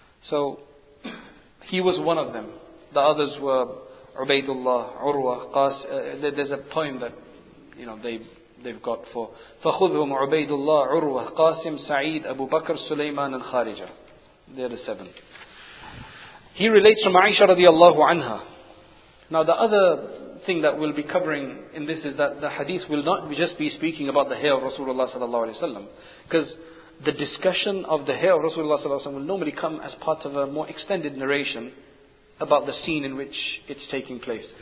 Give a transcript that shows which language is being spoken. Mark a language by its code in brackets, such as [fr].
[en] So, he was one of them. The others were Ubaidullah, Urwa, Qas. There's a poem that you know they've got for [ar] فَخُذْهُمْ عُبَيْدُ اللَّهِ عُرْوَةَ قَاسِمْ سَعِيدْ أَبُو بَكْرِ سُلَيْمَانَ الْخَارِجَةِ. [en] They're the seven. He relates from Aisha radiallahu anha. Now the other thing that we'll be covering in this is that the hadith will not just be speaking about the hair of Rasulullah sallallahu alaihi wasallam, because the discussion of the hair of Rasulullah sallallahu alaihi wasallam will normally come as part of a more extended narration about the scene in which it's taking place.